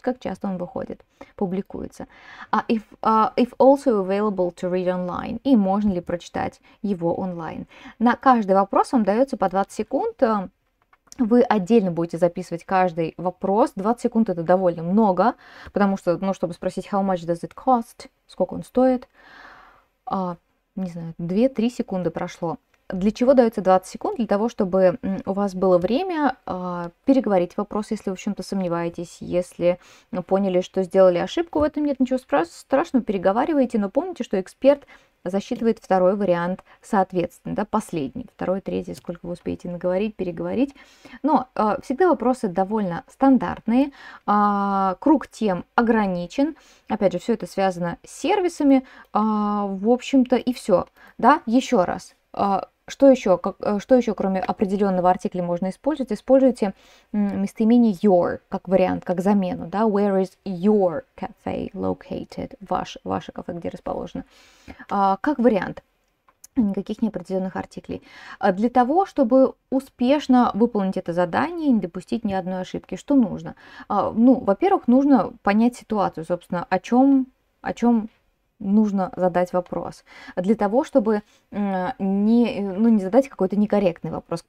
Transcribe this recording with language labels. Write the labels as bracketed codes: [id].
[ru] Как часто он выходит, публикуется? [en] If also available to read online? [ru] И можно ли прочитать его онлайн? На каждый вопрос вам дается по 20 секунд. Вы отдельно будете записывать каждый вопрос. 20 секунд это довольно много, потому что, ну, чтобы спросить [en] how much does it cost? [ru] Сколько он стоит? Не знаю, 2-3 секунды прошло. Для чего дается 20 секунд? Для того, чтобы у вас было время переговорить вопрос, если вы в чем-то сомневаетесь, если поняли, что сделали ошибку, в этом нет ничего страшного, переговариваете, но помните, что эксперт засчитывает второй вариант соответственно, да, последний, второй, третий, сколько вы успеете наговорить, переговорить. Но всегда вопросы довольно стандартные, круг тем ограничен, опять же, все это связано с сервисами, в общем-то, и все. Да, еще раз. Что еще, кроме определенного артикля, можно использовать? Используйте местоимение your как вариант, как замену. Да? [en] Where is your cafe located? [ru] Ваше кафе где расположено? Как вариант. Никаких неопределенных артиклей. Для того, чтобы успешно выполнить это задание и не допустить ни одной ошибки, что нужно? Ну, во-первых, нужно понять ситуацию, собственно, о чем нужно задать вопрос, для того, чтобы не задать какой-то некорректный вопрос.